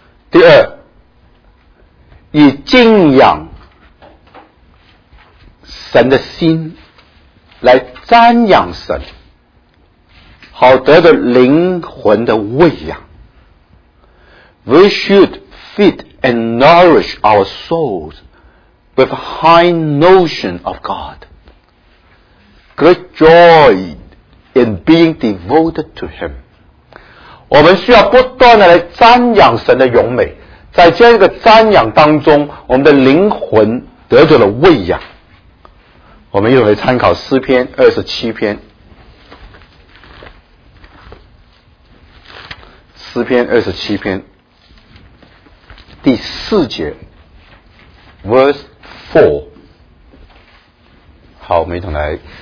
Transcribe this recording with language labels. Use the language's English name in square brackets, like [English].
[Chinese] 第二，以敬仰神的心来瞻仰神，好得着灵魂的喂养。 [English] We should feed and nourish our souls with a high notion of God, great joy in being devoted to Him。 [Chinese] 我们需要不断的来瞻仰神的荣美，在这个瞻仰当中，我们的灵魂得着了喂养。我们又来参考诗篇27篇，诗篇27篇第四节 [English] verse 4。 [Chinese] 好，我们一同来。